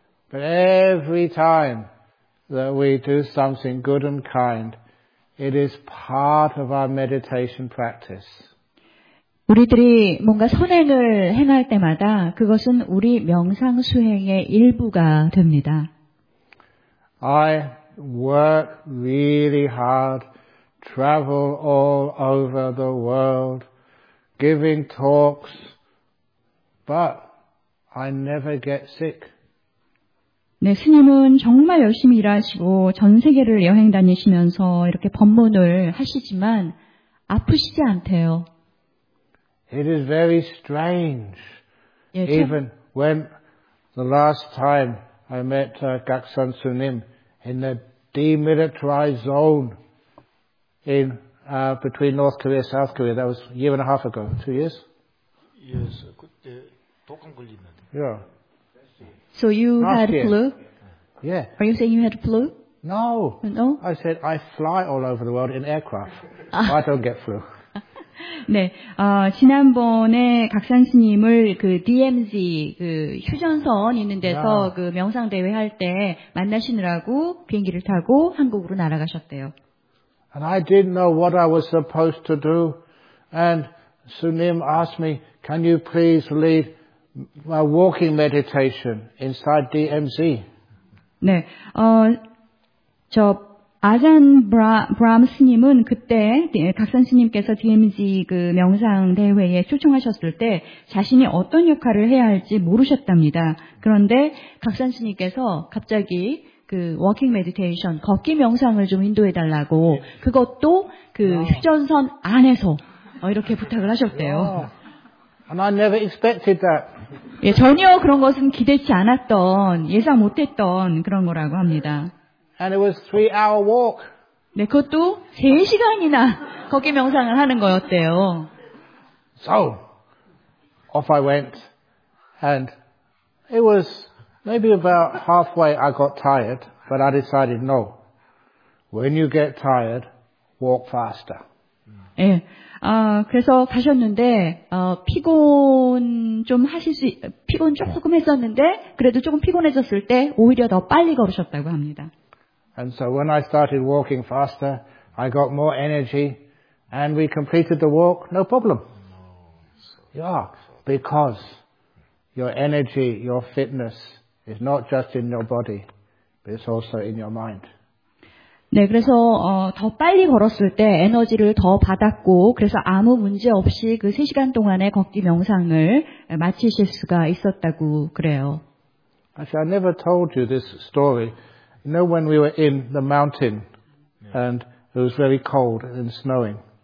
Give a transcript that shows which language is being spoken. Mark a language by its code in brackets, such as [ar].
[en] But every time that we do something good and kind, it is part of our meditation practice. [ko] 우리들이 뭔가 선행을 행할 때마다 그것은 우리 명상 수행의 일부가 됩니다. [en] I work really hard, travel all over the world, giving talks, but I never get sick. [ko] 네, 스님은 정말 열심히 일하시고 전 세계를 여행 다니시면서 이렇게 법문을 하시지만 아프시지 않대요. [en] It is very strange. 예, Even when the last time I met Gaksan Sunim in the demilitarized zone in between North Korea and South Korea, that was a year and a half ago, 2 years? [ko] Yes, 그때 독감 걸렸는데. [en] Yeah. So you Last year. Flu? Yeah. Are you saying you had flu? No. No? I said I fly all over the world in aircraft. I don't get flu. [ko] 네. 지난번에 각산 스님을 그 DMZ 그 휴전선 있는 데서 yeah. 그 명상 대회 할 때 만나시느라고 비행기를 타고 한국으로 날아가셨대요. [en] And I didn't know what I was supposed to do. And Sunim asked me, "Can you please lead my walking meditation inside DMZ?" [ko] 네. 저 아잔 브람 스님은 그때 각산 스님께서 DMZ 그 명상 대회에 초청하셨을 때 자신이 어떤 역할을 해야 할지 모르셨답니다. 그런데 각산 스님께서 갑자기 그 워킹 메디테이션 걷기 명상을 좀 인도해 달라고 그것도 그 휴전선 안에서 이렇게 부탁을 하셨대요. [en] And I never expected that. [ko] 예, 전혀 그런 것은 기대치 않았던 예상 못했던 그런 거라고 합니다. [en] And it was three-hour walk. [ko] 네, 그것도 세 시간이나 걷기 명상을 하는 거였대요. [en] So, off I went, and it was maybe about halfway I got tired, but I decided no. When you get tired, walk faster. [ko] 예. 그래서 가셨는데 피곤 조금 했었는데 그래도 조금 피곤해졌을 때 오히려 더 빨리 걸으셨다고 합니다. [en] And so when I started walking faster, I got more energy, and we completed the walk, no problem. Yeah, because your energy, your fitness is not just in your body, but it's also in your mind. [ko] 네, 그래서 더 빨리 걸었을 때 에너지를 더 받았고 그래서 아무 문제 없이 그 3시간 동안의 걷기 명상을 마치실 수가 있었다고 그래요. [en] Actually, I never told you this story. You know when we were in the mountain and it was very cold and snowing.